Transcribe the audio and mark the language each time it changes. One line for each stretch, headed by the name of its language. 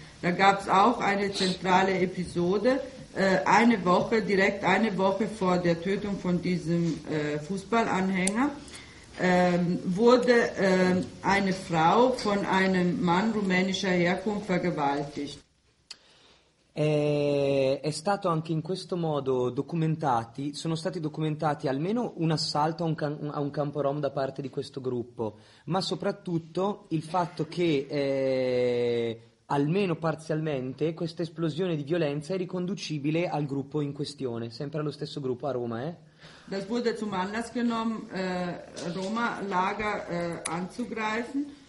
German: Da gab es auch eine zentrale Episode, direkt eine Woche vor der Tötung von diesem Fußballanhänger. Wurde eine Frau von einem Mann rumänischer Herkunft vergewaltigt.
Italian: È stato anche in questo modo documentati, sono stati documentati almeno un assalto a un campo rom da parte di questo gruppo, ma soprattutto il fatto che almeno parzialmente questa esplosione di violenza è riconducibile al gruppo in questione, sempre allo stesso gruppo a Roma, eh?
German: Das wurde zum Anlass genommen, Roma-Lager anzugreifen.